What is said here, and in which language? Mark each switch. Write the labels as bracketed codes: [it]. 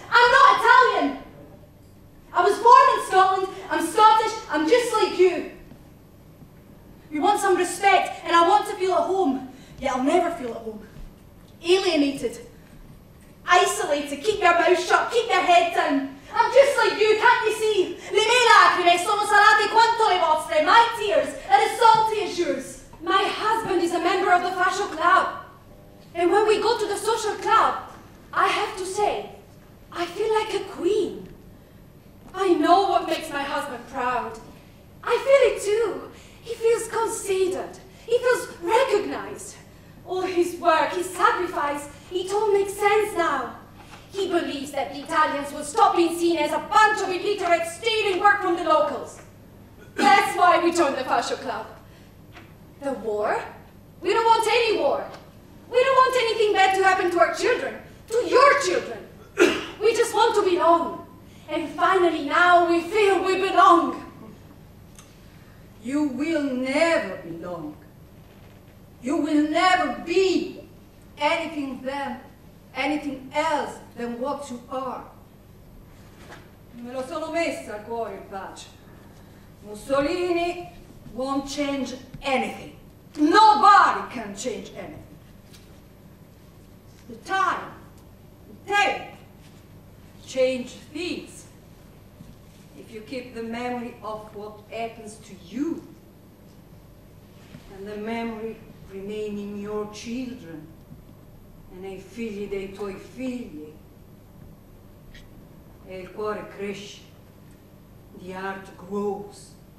[en] I'm not Italian. I was born in Scotland, I'm Scottish, I'm just like you. We want some respect and I want to feel at home. Yet I'll never feel at home. Alienated, isolated, keep your mouth shut, keep your head down. I'm just like you, can't you see? [it] Le mie lacrime sono salate quanto le vostre. [en] My tears are as salty as yours. My husband is a member of the fascio club. And when we go to the social club, I have to say, I feel like a queen. I know what makes my husband proud. I feel it too. He feels considered. He feels recognized. All his work, his sacrifice, it all makes sense now. He believes that the Italians will stop being seen as a bunch of illiterates stealing work from the locals. That's why we joined the fascio club. The war? We don't want any war. We don't want anything bad to happen. happen to our children, to your children. We just want to belong. And finally now we feel we belong. You will never belong. You will never be anything than, anything else than what you are. [it] Me lo sono messa al cuore in pace. [en] Mussolini won't change anything. Nobody can change anything. The time, the tape, change things. If you keep the memory of what happens to you, and the memory remain in your children, and [it] ai figli dei tuoi figli, e il cuore cresce, [en] the heart grows.